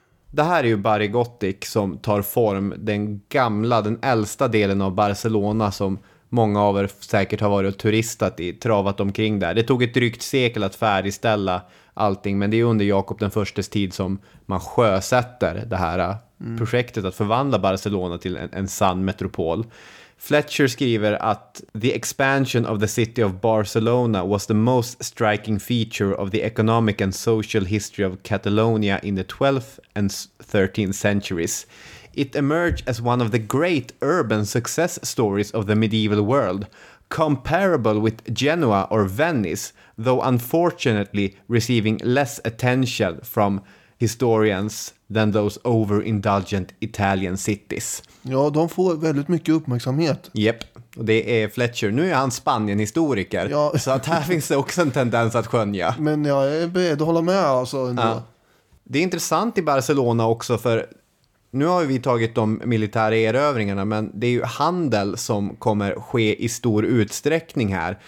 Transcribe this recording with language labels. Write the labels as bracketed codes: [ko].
[sv] Det här är ju Barri Gòtic som tar form. Den gamla, den äldsta delen av Barcelona som många av er säkert har varit och turistat i, travat omkring där. Det tog ett drygt sekel att färdigställa allting, men det är under Jakob den förstes tid som man sjösätter det här projektet att förvandla Barcelona till en sann metropol. Fletcher skriver att [en] the expansion of the city of Barcelona was the most striking feature of the economic and social history of Catalonia in the 12th and 13th centuries. It emerged as one of the great urban success stories of the medieval world, comparable with Genoa or Venice, though unfortunately receiving less attention from historians than those overindulgent Italian cities. [sv] Ja, de får väldigt mycket uppmärksamhet. Jep, och det är Fletcher. Nu är han Spanien-historiker, ja. Så att här finns det också en tendens att skönja. Men jag är beredd att hålla med alltså ändå. Ja. Det är intressant i Barcelona också, för nu har vi tagit de militära erövringarna, men det är ju handel som kommer ske i stor utsträckning här.